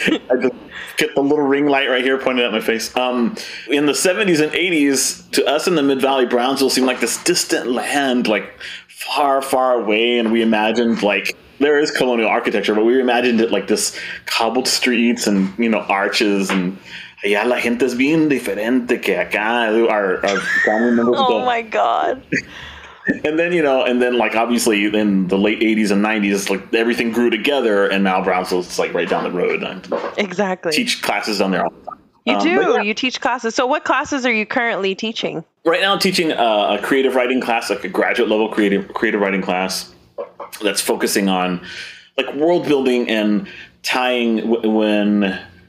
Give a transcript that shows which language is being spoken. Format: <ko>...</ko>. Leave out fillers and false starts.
<en>I just get the little ring light right here pointed at my face. In the 70s and 80s, to us in the Mid-Valley, Brownsville seemed like this distant land, like far, far away. And we imagined, like, there is colonial architecture, but we imagined it like this cobbled streets and, you know, arches and...</en> <es>Yeah, la gente es bien diferente que acá.</es> <en>Our family members. Oh my God! And then, you know, and then like obviously in the late 80s and 90s, like everything grew together, and now Brownsville is like right down the road. Exactly. Teach classes down there all the time. You do. Yeah. You teach classes. So, what classes are you currently teaching? Right now, I'm teaching a creative writing class, like a graduate level creative writing class, that's focusing on like world building and tying when.</en>